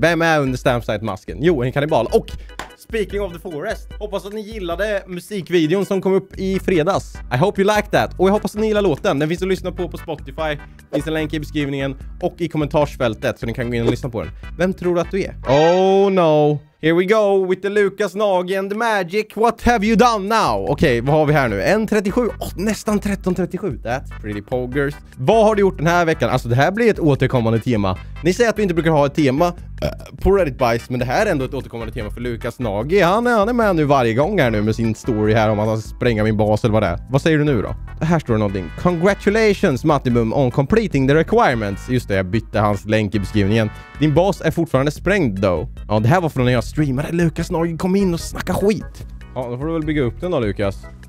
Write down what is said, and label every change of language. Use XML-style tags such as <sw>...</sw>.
<sv>Vem är under Stampsite-masken? Jo, en kannibal. Och</sv> <en>speaking of</en> <sv>The Forest, hoppas att ni gillade musikvideon som kom upp i fredags.</sv> <en>I hope you liked that.</en> <sv>Och jag hoppas att ni gillar låten. Den finns att lyssna på Spotify. Det finns en länk i beskrivningen och i kommentarsfältet så ni kan gå in och lyssna på den. Vem tror du att du är?</sv> <en>Oh no. Here we go with the Lucas Nagen, the magic, what have you done now?</en> <sv>Okej, okay, vad har vi här nu? 1.37, oh, nästan 13.37,</sv> <en>that's pretty poggers.</en> <sv>Vad har du gjort den här veckan? Alltså det här blir ett återkommande tema. Ni säger att vi inte brukar ha ett tema på Reddit Bajs, men det här är ändå ett återkommande tema för Lucas Nagi. Han är med nu varje gång här nu med sin story här om att han spränger min bas eller vad det är. Vad säger du nu då? Här står det någonting.</sv> <en>Congratulations, Mattibum, on completing the requirements.</en> <sv>Just det, jag bytte hans länk i beskrivningen. Din bas är fortfarande sprängd though. Ja, det här var från när jag streamade. Lucas Nagi, kom in och snacka skit. Ja, då får du väl bygga upp den då, Lucas.</sv>